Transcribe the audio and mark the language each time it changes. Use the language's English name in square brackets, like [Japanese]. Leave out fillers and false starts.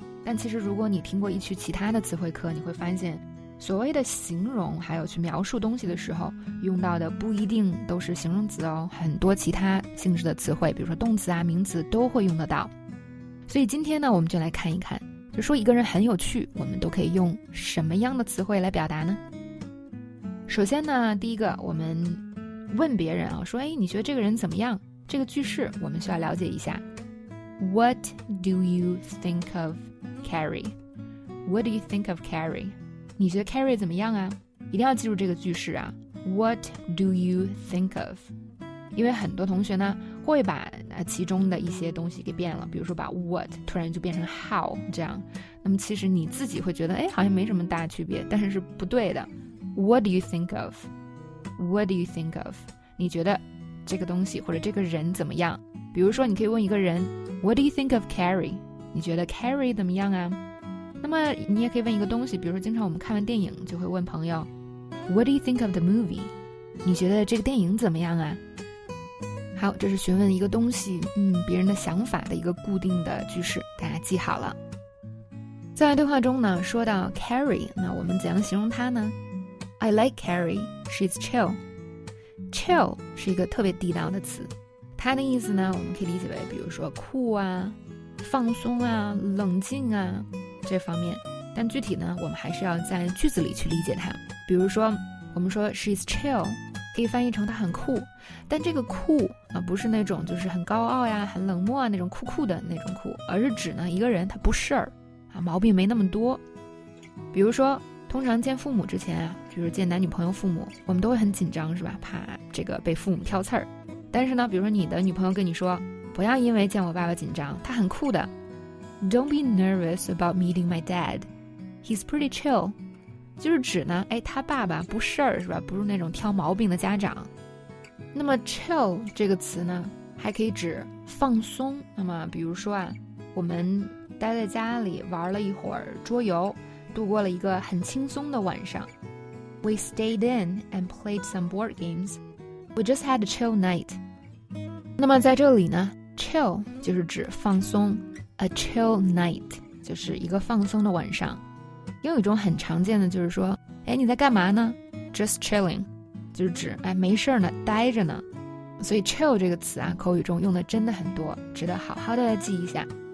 [Chinese] 但其实如果你听过一期其他的词汇课，你会发现所谓的形容还有去描述东西的时候用到的不一定都是形容词哦，很多其他性质的词汇，比如说动词啊、名词都会用得到。所以今天呢，我们就来看一看，就说一个人很有趣，我们都可以用什么样的词汇来表达呢？首先呢，第一个，我们问别人啊，说，哎，你觉得这个人怎么样？这个句式我们需要了解一下。 [English] What do you think of Carrie? What do you think of Carrie? [Chinese] 你觉得 Carrie 怎么样啊？一定要记住这个句式啊。 [English] What do you think of? [Chinese] 因为很多同学呢，会把其中的一些东西给变了，比如说把 what 突然就变成 how 这样，那么其实你自己会觉得哎，好像没什么大区别，但是是不对的。 [English] What do you think of? What do you think of? [Chinese] 你觉得这个东西或者这个人怎么样？比如说你可以问一个人 [English] What do you think of Carrie? [Chinese] 你觉得 Carrie 怎么样啊？那么你也可以问一个东西，比如说经常我们看完电影就会问朋友 [English] What do you think of the movie? [Chinese] 你觉得这个电影怎么样啊？好，这是询问一个东西，别人的想法的一个固定的句式，大家记好了。在对话中呢，说到 Carrie， 那我们怎样形容她呢？ [English] I like Carrie, she's chill. [Chinese] Chill 是一个特别地道的词，它的意思呢，我们可以理解为比如说酷啊、放松啊、冷静啊这方面，但具体呢，我们还是要在句子里去理解它。比如说我们说 [English] she's chill， [Chinese] 可以翻译成他很酷，但这个酷啊，不是那种就是很高傲呀、很冷漠啊那种酷酷的那种酷，而是指呢一个人他不事儿啊，毛病没那么多。比如说，通常见父母之前啊，就是见男女朋友父母，我们都会很紧张，是吧？怕这个被父母挑刺儿。但是呢，比如说你的女朋友跟你说，不要因为见我爸爸紧张，他很酷的。 [English] Don't be nervous about meeting my dad. He's pretty chill. [Chinese] 就是指呢，哎，他爸爸不事儿是吧？不是那种挑毛病的家长。那么 chill 这个词呢，还可以指放松。那么比如说啊，我们待在家里玩了一会儿桌游，度过了一个很轻松的晚上。 [English] We stayed in and played some board games. We just had a chill night. [Chinese] 那么在这里呢 ，chill 就是指放松 ， [English] a chill night [Chinese] 就是一个放松的晚上。又有一种很常见的就是说，哎，你在干嘛呢？ [English] Just chilling， [Chinese] 就是指哎没事呢，待着呢。所以 chill 这个词啊，口语中用的真的很多，值得好好的来记一下。